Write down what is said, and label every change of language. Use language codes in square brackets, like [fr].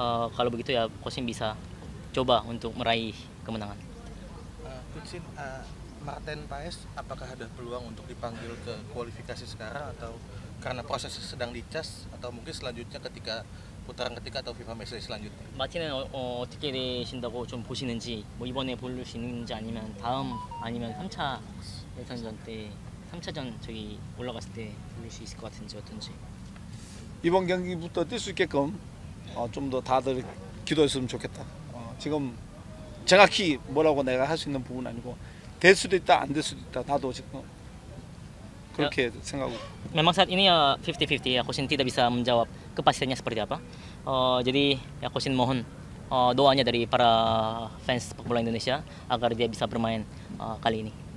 [id] Kalau begitu ya Kosin bisa coba untuk meraih kemenangan. Kosin, Martin Paes, apakah ada peluang untuk dipanggil ke kualifikasi sekarang atau karena proses sedang dicas atau mungkin selanjutnya ketika putaran ketiga atau FIFA Matchday selanjutnya? [ko] Martin은 어떻게 되신다고 좀 보시는지, 뭐 이번에 볼 수 있는지 아니면 다음 아니면 3차 예선전 때 3차전 저기 올라갔을 때 볼 수 있을 것 같은지 어떤지. 이번 경기부터 뛸 수 있게끔 좀 더 다들 기도했으면 좋겠다. 지금 정확히 뭐라고 내가 할 수 있는 부분 아니고 될 수도 있다 안 될 수도 있다 나도 지금 그렇게 생각하고. [id] Memang saat ini 50-50 ya, Kosin tidak bisa menjawab kepastiannya seperti apa. Jadi ya Kosin mohon doanya dari para fans sepak bola Indonesia agar dia bisa bermain kali ini.